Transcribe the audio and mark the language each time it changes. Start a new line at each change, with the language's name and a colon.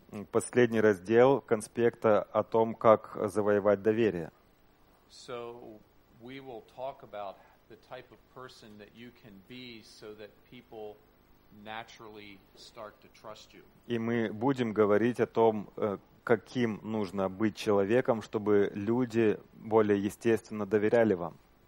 Russian: Последний раздел конспекта о том, как завоевать доверие.
English: So we will talk about the type of person that you can be so that people naturally start to trust you.
Russian: И мы будем говорить о том, каким нужно быть человеком, чтобы люди более естественно доверяли вам.